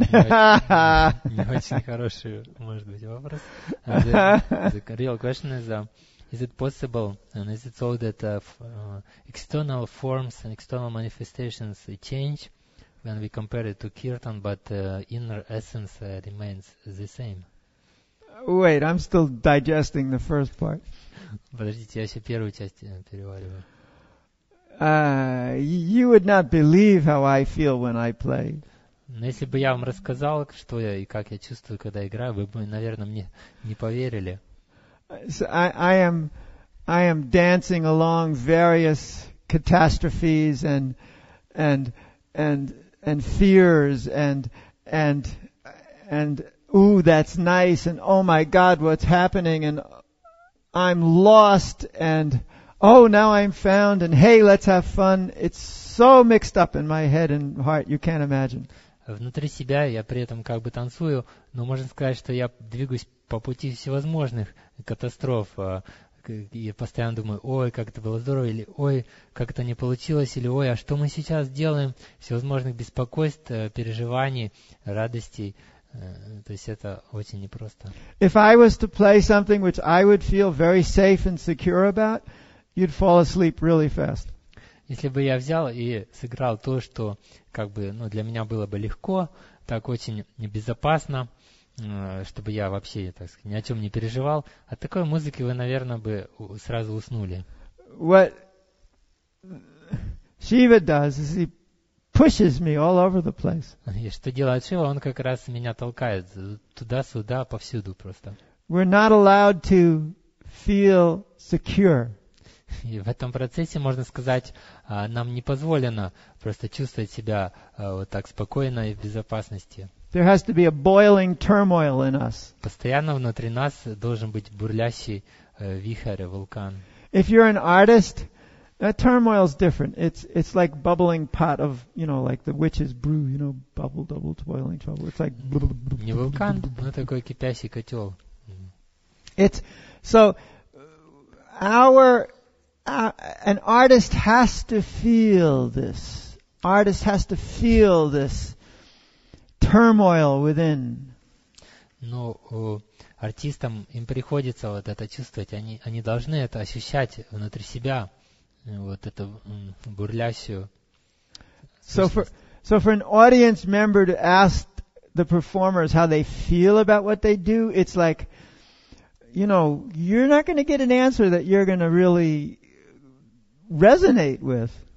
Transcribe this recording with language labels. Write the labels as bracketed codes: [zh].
[ru] Не очень хороший, может быть, вопрос. [en] The real question is, is it possible, and is it so that external forms and external manifestations change when we compare it to kirtan, but inner essence remains the same? Wait, I'm still digesting the first part. [ru] Подождите, я еще первую часть перевариваю. [en] You would not believe how I feel when I play. [ru] Но если бы я вам рассказал, что я и как я чувствую, когда играю, вы бы, наверное, мне не поверили. [en] So I am dancing along various catastrophes and fears and ooh, that's nice, and oh my God, what's happening, and I'm lost, and oh, now I'm found, and hey, let's have fun. It's so mixed up in my head and heart, you can't imagine. [ru] Внутри себя я при этом как бы танцую, но можно сказать, что я двигаюсь по пути всевозможных катастроф. Я постоянно думаю, ой, как это было здорово, или ой, как это не получилось, или ой, а что мы сейчас делаем? Всевозможных беспокойств, переживаний, радостей. То есть это очень непросто. [en] If I was to play something which I would feel very safe and secure about, you'd fall asleep really fast. [ru] Если бы я взял и сыграл то, что как бы, ну, для меня было бы легко, так очень небезопасно, чтобы я вообще, так сказать, ни о чем не переживал, от такой музыки вы, наверное, бы сразу уснули. [en] What Shiva does is he pushes me all over the place. [ru] И что делает Шива, он как раз меня толкает туда-сюда, повсюду просто. [en] We're not allowed to feel secure. [ru] И в этом процессе, можно сказать, нам не позволено просто чувствовать себя вот так спокойно и в безопасности. [en] There has to be a boiling turmoil in us. [ru] Постоянно внутри нас должен быть бурлящий вихрь, вулкан. [en] If you're an artist, that turmoil is different. It's like bubbling pot of, you know, like the witch's brew, you know, bubble, double, boiling trouble. It's like... [ru] Не вулкан, но такой кипящий котел. [en] It's... So, an artist has to feel this. Artist has to feel this turmoil within. [ru] Но артистам им приходится вот это чувствовать, они должны это ощущать внутри себя, вот эту бурлящую. [en] So for an audience member to ask the performers how they feel about what they do, it's like, you know, you're not going to get an answer that you're going to really resonate with.